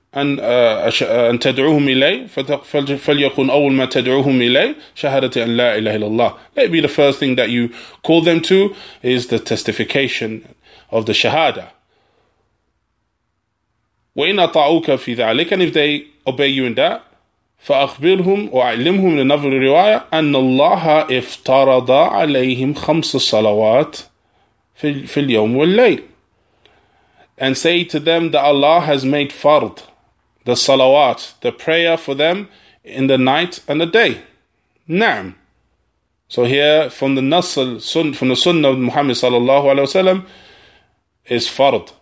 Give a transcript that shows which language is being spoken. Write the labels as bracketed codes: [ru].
[ar] أن تدعوهم إلي فليكن أول ما تدعوهم إلي شهادة أن لا إله إلا الله. [en] Let it be the first thing that you call them to is the testification of the shahada. [ar] وإن أطاعوك في ذلك, [en] and if they obey you in that, [ar] فأخبرهم وأعلمهم, [en] in another riwayah, [ar] أن الله افترض عليهم خمس صلوات في اليوم والليل. [en] And say to them that Allah has made fard, the salawat, the prayer for them in the night and the day. Naam. So here, from the nasl, from the sunnah of Muhammad sallallahu alayhi wa sallam, is fard.